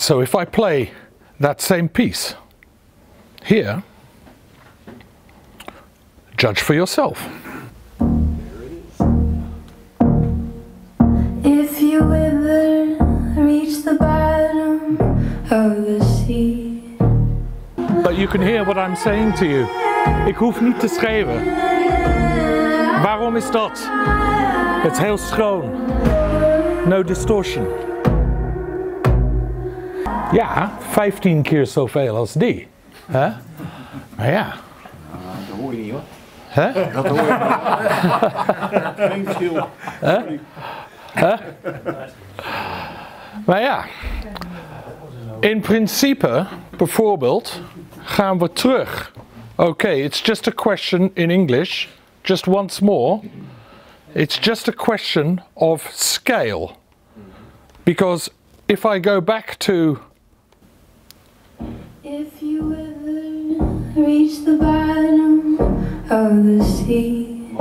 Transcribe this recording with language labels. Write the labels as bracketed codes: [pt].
[en] So if I play that same piece here, judge for yourself. If you ever reach the bottom of the sea. But you can hear what I'm saying to you. [nl] Ik hoef niet te schrijven. Waarom is dat? [en] It's [nl] heel schoon. [en] No distortion. [nl] Ja, 15 keer zoveel als die. Hè? Huh? Maar ja. Dat hoor je niet hoor. Hè? Dat hoor je niet. Geen verschil. Hè? Huh? Maar ja, in principe, bijvoorbeeld, gaan we terug. [en] Okay, it's just a question in English, just once more. It's just a question of scale. Because if I go back to... If you ever reach the bottom of the sea.